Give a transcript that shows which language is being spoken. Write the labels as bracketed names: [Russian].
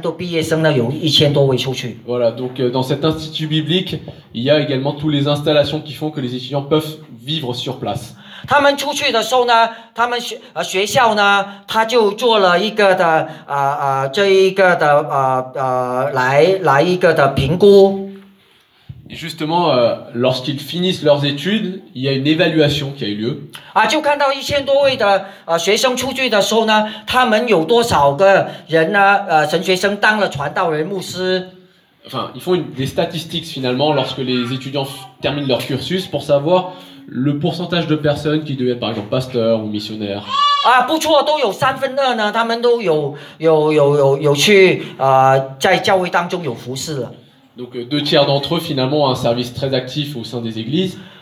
[Chinese] 有住宿的，有住在学校的，有在外的，都加起来呢，他们都毕业生呢有1000多位出去。 [French] Voilà, donc dans cet institut biblique, il y a également toutes les installations qui font que les étudiants peuvent vivre sur place. [Chinese] 他们出去的时候呢，他们学校呢，他就做了一个的，这一个的，来一个的评估。 [French] Et justement, lorsqu'ils finissent leurs études, il y a une évaluation qui a eu lieu. [Chinese] 就看到1000多位的学生出去的时候呢，他们有多少个人呢？神学生当了传道人、牧师。 [French] Enfin, ils font des statistiques finalement lorsque les étudiants terminent leur cursus pour savoir le pourcentage de personnes qui deviennent par exemple pasteurs ou missionnaires. [Chinese] 不错，都有三分二呢，他们都有去在教会当中有服侍了。 [French] Donc deux tiers d'entre eux finalement ont un service très actif au sein des églises.